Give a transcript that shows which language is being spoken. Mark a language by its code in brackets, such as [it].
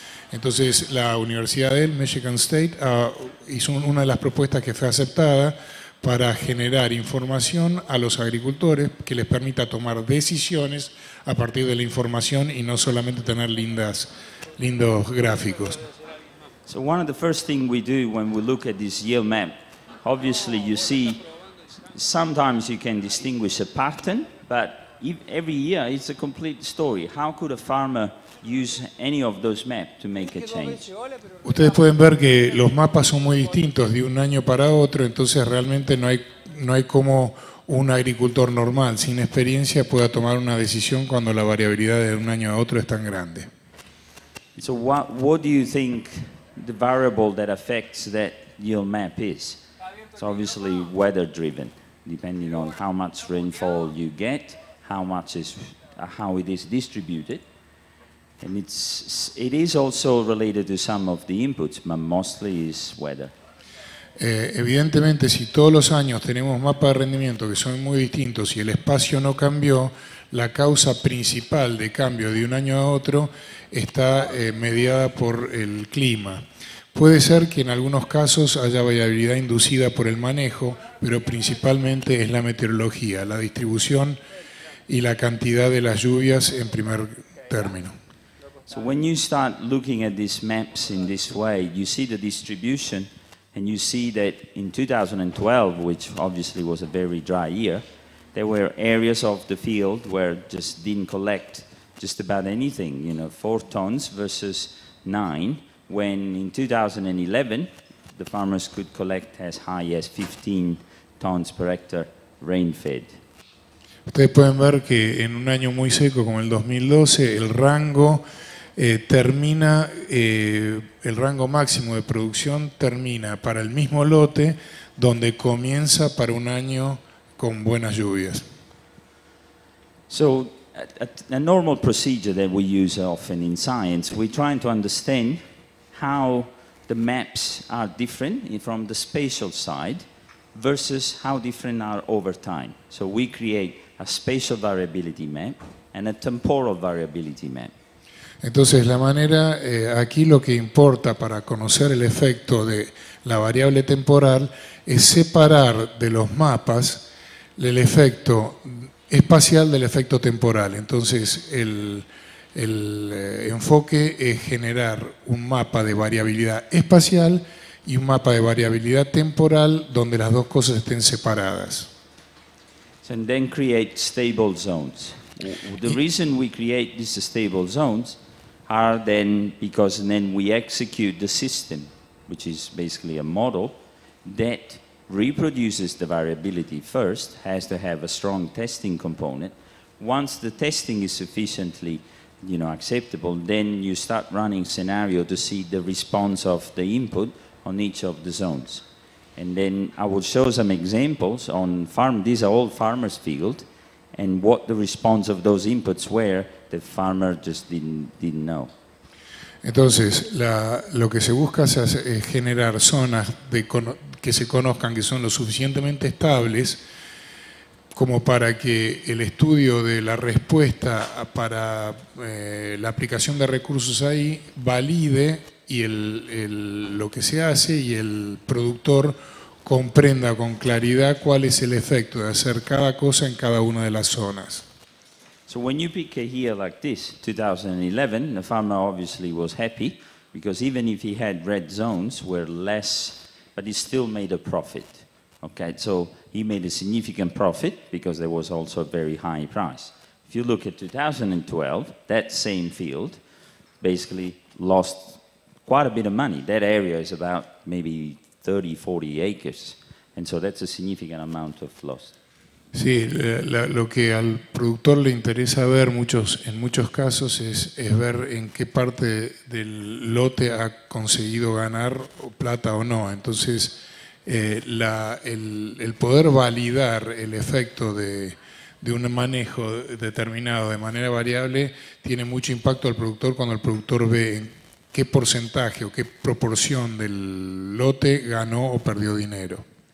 [es] Entonces, la Universidad de Michigan State hizo una de las propuestas que fue aceptada para generar información a los agricultores que les permita tomar decisiones a partir de la información y no solamente tener lindos gráficos. [en] So one of the first thing we do when we look at this yield map, obviously you see sometimes you can distinguish a pattern, but every year it's a complete story. How could a farmer use any of those maps to make a change? [es] Ustedes pueden ver que los mapas son muy distintos de un año para otro, entonces realmente no hay cómo un agricultor normal sin experiencia pueda tomar una decisión cuando la variabilidad de un año a otro es tan grande. [en] So what do you think the variable that affects that yield map is? It's obviously weather driven, depending on how much rainfall you get, how it is distributed. And it is also related to some of the inputs, but mostly is weather. [es] Evidentemente, si todos los años tenemos mapas de rendimiento que son muy distintos y el espacio no cambió, la causa principal de cambio de un año a otro está mediada por el clima. Puede ser que en algunos casos haya variabilidad inducida por el manejo, pero principalmente es la meteorología, la distribución y la cantidad de las lluvias en primer término. [en] So when you start looking at these maps in this way, you see the distribution and you see that in 2012, which obviously was a very dry year, there were areas of the field where just didn't collect just about anything, you know, 4 tons versus 9. When in 2011, the farmers could collect as high as 15 tons per hectare rain-fed. [es] Ustedes pueden ver que en un año muy seco como el 2012, el rango termina, el rango máximo de producción termina para el mismo lote donde comienza para un año con buenas lluvias. [en] So, a normal procedure that we use often in science, we're trying to understand how the maps are different from the spatial side versus how different are over time. So we create a spatial variability map and a temporal variability map. [es] Entonces, la manera, aquí lo que importa para conocer el efecto de la variable temporal es separar de los mapas el efecto espacial del efecto temporal. Entonces, el enfoque es generar un mapa de variabilidad espacial y un mapa de variabilidad temporal donde las dos cosas estén separadas. [en] And then create stable zones. The reason we create these stable zones are then because then we execute the system, which is basically a model that reproduces the variability first, has to have a strong testing component. Once the testing is sufficiently, you know, acceptable, then you start running scenario to see the response of the input on each of the zones. And then I will show some examples on farm, these are all farmers' field, and what the response of those inputs were, the farmer just didn't know. [es] Entonces, lo que se busca es generar zonas que se conozcan que son lo suficientemente estables como para que el estudio de la respuesta para la aplicación de recursos ahí valide y lo que se hace y el productor comprenda con claridad cuál es el efecto de hacer cada cosa en cada una de las zonas. [en] So when you pick a year like this, 2011, the farmer obviously was happy because even if he had red zones were less, but he still made a profit. Okay, so he made a significant profit because there was also a very high price. If you look at 2012, that same field basically lost quite a bit of money. That area is about maybe 30, 40 acres, and so that's a significant amount of loss. [es] Sí, lo que al productor le interesa ver en muchos casos es ver en qué parte del lote ha conseguido ganar plata o no. Entonces, el poder validar el efecto de un manejo determinado de manera variable tiene mucho impacto al productor cuando el productor ve en qué porcentaje o qué proporción del lote ganó o perdió dinero.